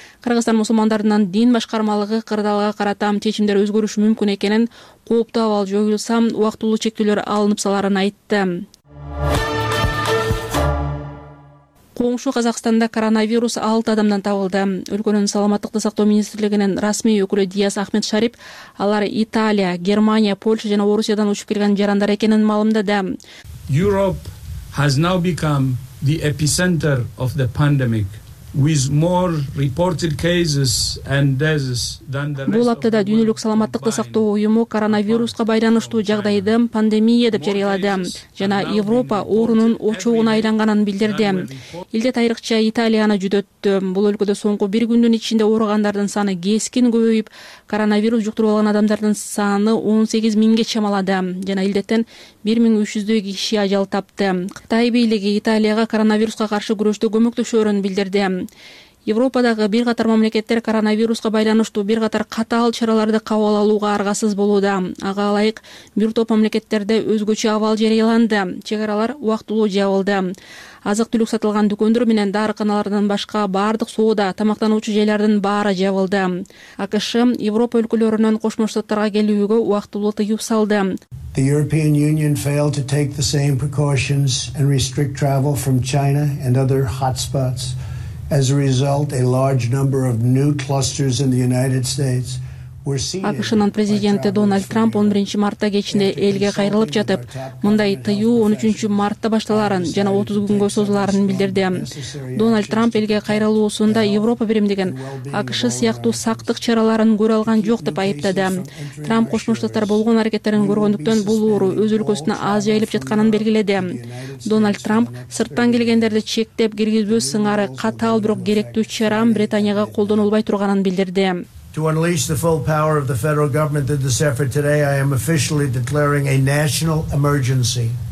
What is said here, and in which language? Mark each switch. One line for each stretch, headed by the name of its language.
Kyrgyz: Кыргызстан мусулмандарынын дин башкармалыгы кырдаалга карата чечимдер өзгөрүшү мүмкүн экенин, кооптуу абал жоюлса, убактылуу чектөөлөр алынып саларын айтты. Коңшу Казакстанда коронавирус 6 адамдан табылды. Өлкөнүн саламаттыкты сактоо министрлигинин расмий өкүлү Дияс Ахмет Шарип, алар Италия, Германия, Польша жана Орусиядан учуп келген жарандар экенин маалымдады.
English: Europe has now become the epicenter of the pandemic. with more reported cases and deaths than the rest.
Kyrgyz: Бул аптада дүйнөлүк саламаттыкты сактоо уюму коронавируска байланыштуу жагдайды пандемия деп жарыялады жана Европа оорунун очогуна айланганын билдирди. Илдет айрыкча Италияны жүдөттү. Бул өлкөдө соңку бир күндүн ичинде ооругандардын саны кескин көбөйүп, коронавирус жуктуруп алган адамдардын саны 18 миңге чамалады жана илдеттен 1300дөй киши ажал тапты. Кытай бийлиги Италияга коронавируска каршы күрөштө көмөктөшөрүн билдирди. Европадагы бир катар мамлекеттер коронавируска байланыштуу бир катар катаал чараларды кабыл алууга аргасыз болууда. Ага ылайык, бир топ мамлекеттерде өзгөчө абал жарыяланды. Чек аралар убактылуу жабылды. Азык-түлүк сатылган дүкөндөр менен дарыканалардан башка баардык соода, тамактануучу жайлардын баары жабылды. АКШ Европа өлкөлөрүнөн Кошмо Штаттарга келүүгө убактылуу тыюу салды.
English: The European Union failed to take the same precautions and restrict travel from China and other hotspots. As a result, a large number of new clusters in the United States were seen.
Kyrgyz: АКШнын президенти Дональд Трамп 11 мартта кечинде элге кайрылып жатып, мындай тыюу 13 мартта башталарын жана 30 күнгө созуларын билдирди. Дональд Трамп элге кайрылуусунда Европа биримдиген АКШ сыяктуу сактык чараларын көрө алган жок деп айыптады. Трамп Кошмо Штаттар болгон аракеттерин көргөндүктөн бул оору өз өлкөсүнө аз жайылып жатканын белгиледи. Дональд Трамп сырттан келгендерди чектеп киргизбөө сыңары катаал бирок керектүү чара Британияга колдонулбай турганын билдирди.
English: To unleash the full power of the federal government in this effort today, I am officially declaring a national emergency.